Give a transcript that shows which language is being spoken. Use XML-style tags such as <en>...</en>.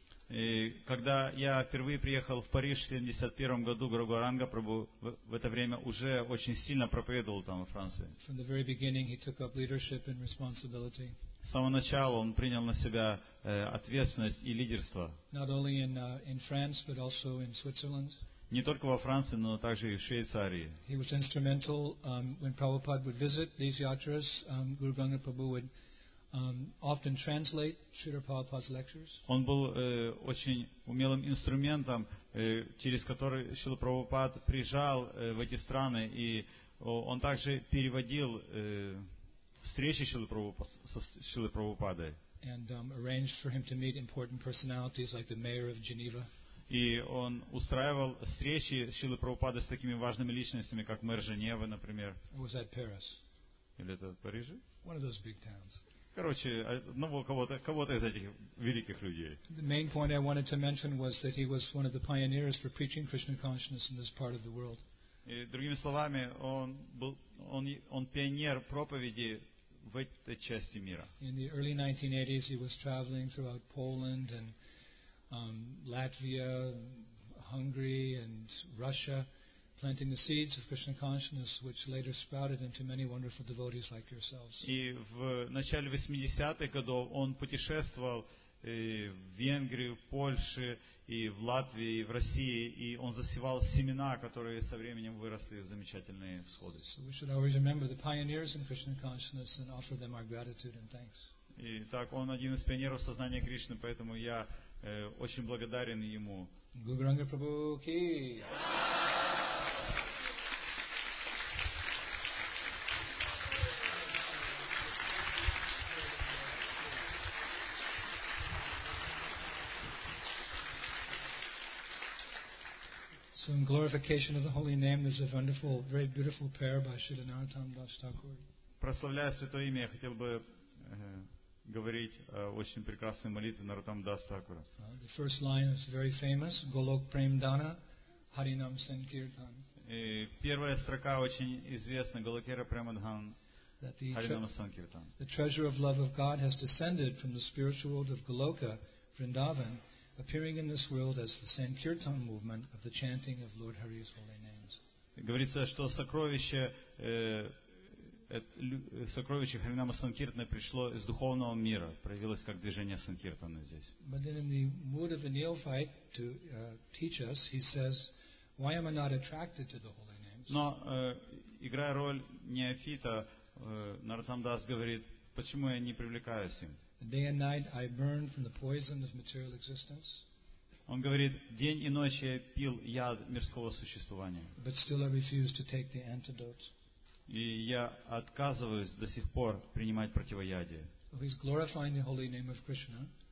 <ru>И когда я впервые приехал в Париж в 71 году, Гуру Гауранга Прабху в это время уже очень сильно проповедовал там во Франции.</ru> <en>From the very beginning he took up leadership and responsibility.</en> <ru>С самого начала он принял на себя ответственность и лидерство.</ru> <en>Not only in France, but also in Switzerland.</en> <ru>Не только во Франции, но также и в Швейцарии.</ru> <en>He was instrumental when Prabhupada would visit these yatras, Guru Gauranga Prabhu would often translate Srila Prabhupada's lectures.</en> <ru>Он был очень умелым инструментом, через который Шрила Прабхупад приезжал в эти страны, и он также переводил встречи Шрилы Прабхупады.</ru> <en>And arranged for him to meet important personalities like the mayor of Geneva.</en> <ru>И он устраивал встречи Шрилы Прабхупады с такими важными личностями, как мэр Женевы, например.</ru> <en>Was that Paris?</en> <ru>Или это Париж?</ru> <en>One of those big towns.</en> <ru>Короче, одного кого-то из этих великих людей.</ru> <en>The main point I wanted to mention was that he was one of the pioneers for preaching Krishna consciousness in this part of the world.</en> <ru>И другими словами, он пионер проповеди в этой части мира.</ru> <en>In the early 1980s, he was traveling throughout Poland and Latvia, Hungary and Russia, planting the seeds of Krishna consciousness, which later sprouted into many wonderful devotees like yourselves.</en> <ru>И в начале 80-х годов он путешествовал в Венгрию, в Польше, и в Латвии, и в России, и он засевал семена, которые со временем выросли в замечательные всходы.</ru> <en>So we should always remember the pioneers in Krishna consciousness and offer them our gratitude and thanks.</en> <ru>И так, он один из пионеров сознания Кришны, поэтому я очень благодарен ему.</ru> <en>Guru Gauranga Prabhu ki. So in glorification of the holy name, there's a wonderful, very beautiful prayer by Srila Narottam Das Thakur.</en> <ru>Прославляя святое имя, я хотел бы говорить о очень прекрасной молитве Narottam Das Thakur.</ru> <en>The first line is very famous: Golok Prem Dana Harinam Sankirtan.</en> <ru>Первая строка очень известна: Голокера Премадхан Харинам Санкиртан.</ru> <en>The treasure of love of God has descended from the spiritual world of Goloka, Vrindavan, appearing in this world as the Sankirtan movement of the chanting of Lord Hari's holy names.</en> <ru>Говорится, что сокровище Харинама Санкиртаны пришло из духовного мира, проявилось как движение Санкиртаны здесь.</ru> <en>But then in the mood of the neophyte to teach us, he says, why am I not attracted to the holy names?</en> <ru>Но, играя роль неофита, Narottam Das говорит, почему я не привлекаюсь им?</ru> <en>Day and night I burn from the poison of material existence.</en> <ru>Он говорит, день и ночь я пил яд мирского существования.</ru> <en>But still I refuse to take the antidote.</en> <ru>И я отказываюсь до сих пор принимать противоядие.</ru> <en>So he's glorifying the holy name of Krishna.</en>